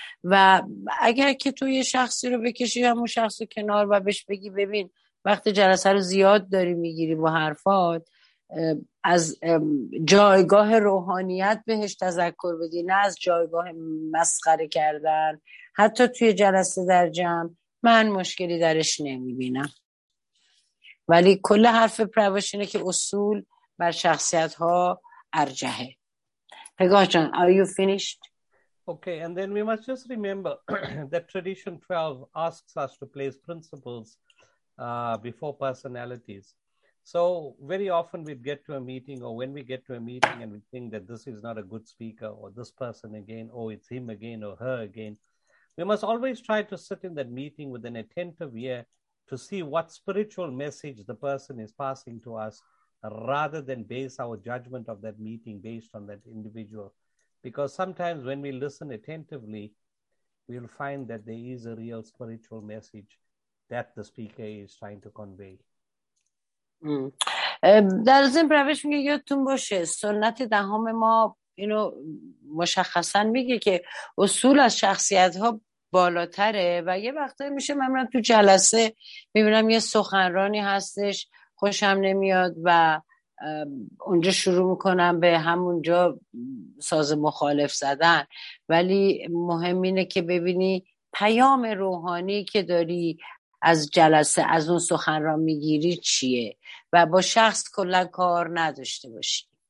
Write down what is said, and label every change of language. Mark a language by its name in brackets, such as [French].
[Persian] و اگر که تو یه شخصی رو بکشی همون شخص رو کنار و بهش بگی ببین وقتی جلسه رو زیاد داری میگیری با حرفات، از جایگاه روحانیت بهش تذکر بدی نه از جایگاه مسخره کردن حتی توی جلسه در جمع، من مشکلی درش نمیبینم. ولی کل حرف پروش اینه که اصول بر شخصیت ها ارجحه. [English] Pegah جان، are you finished? Okay, and then we must just remember that tradition 12 asks us to place principles before personalities. So very often we get to a meeting, or when we get to a meeting and we think that this is not a good speaker, or this person again, or it's him again or her again, we must always try to sit in that meeting with an attentive ear to see what spiritual message the person is passing to us, rather than base our judgment of that meeting based on that individual. Because sometimes when we listen attentively, we'll find that there is a real spiritual message that the speaker is trying to convey. [Persian] در ضمن پروش میگه یادتون باشه سنت دهم ما اینو مشخصا میگه که اصول از شخصیت ها بالاتره. و یه وقتایی میشه من میرم تو جلسه میبینم یه سخنرانی هستش خوشم نمیاد و اونجا شروع میکنم به همونجا ساز مخالف زدن، ولی مهم اینه که ببینی پیام روحانی که داری از جلسه از اون سخنران میگیری چیه و با شخص کلا کار نداشته باشی.